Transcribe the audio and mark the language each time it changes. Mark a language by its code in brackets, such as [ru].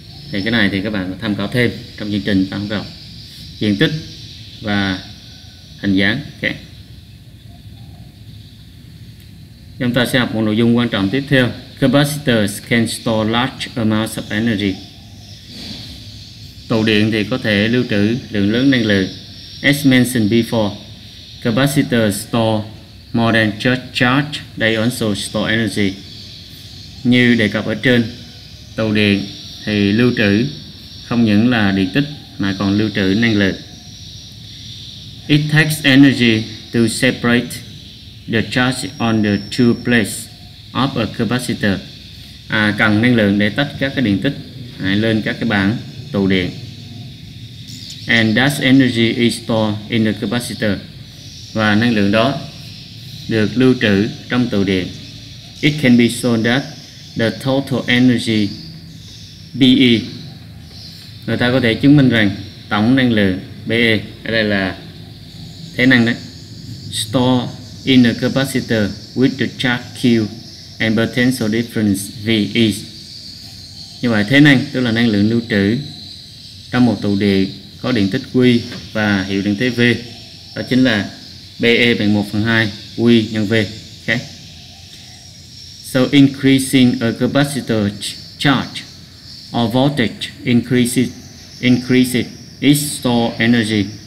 [vi] Thì cái này thì các bạn tham khảo thêm trong chương trình tăng học. Diện tích và hình dáng. Okay. Chúng ta sẽ học một nội dung quan trọng tiếp theo, [en] Capacitors can store large amounts of energy. [vi] Tủ điện thì có thể lưu trữ lượng lớn năng lượng. [en] As mentioned before, capacitors store more than just charge, they also store energy. [vi] Như đề cập ở trên, tủ điện thì lưu trữ không những là điện tích mà còn lưu trữ năng lượng. [en] It takes energy to separate the charge on the two plates of a capacitor. [vi] Cần năng lượng để tách các cái điện tích lên các cái bảng tụ điện. [en] And that energy is stored in the capacitor. [vi] Và năng lượng đó được lưu trữ trong tụ điện. [en] It can be shown that the total energy BE. [vi] Người ta có thể chứng minh rằng tổng năng lượng BE ở đây là thế năng đấy. [en] Store in a capacitor with the charge Q and potential difference VE. [vi] Như vậy thế năng tức là năng lượng lưu trữ trong một tụ điện có điện tích Q và hiệu điện thế V. Đó chính là BE bằng 1/2 Q nhân V. [en] Okay. So increasing a capacitor charge or voltage increases its stored energy.